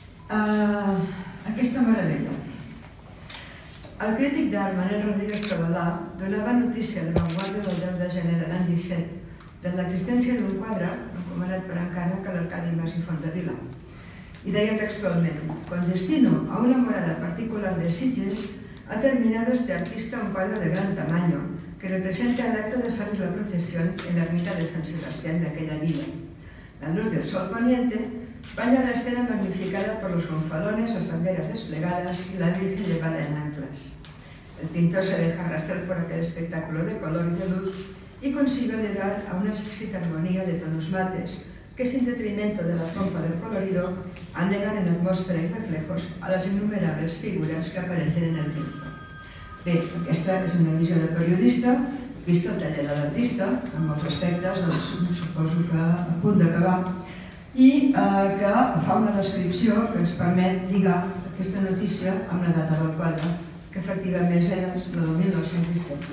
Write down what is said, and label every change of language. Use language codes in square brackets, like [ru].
[ca] Aquesta meravella. El crític d'art Manel Rodríguez Cavalà donava notícia a la Vanguardia del 10 de gener de l'any 17 de l'existència d'un quadre recomanat per encara que l'Arcadi Mas i Fontavila. I deia textualment, [es] quan destino a una morada particular de Sitges, ha terminado este artista un cuadro de gran tamaño que representa el acto de salir la procesión en la ermita de San Sebastián de aquella villa. La luz del sol poniente vaya a la escena magnificada por los gonfalones, las banderas desplegadas y la virgen llevada en anclas. El pintor se deja arrastrar por aquel espectáculo de color y de luz y consigue llegar a una exquisita armonía de tonos mates que es en detrimento de la pompa del colorido, anegan en atmósfera y reflejos a las innumerables figuras que aparecen en el tiempo. [ca] Bé, aquesta és una visió de periodista, vista el taller de l'artista, en molts aspectes, doncs, suposo que a punt d'acabar, i que fa una descripció que ens permet lligar aquesta notícia amb la data del quadre, que efectivament era la del 1917.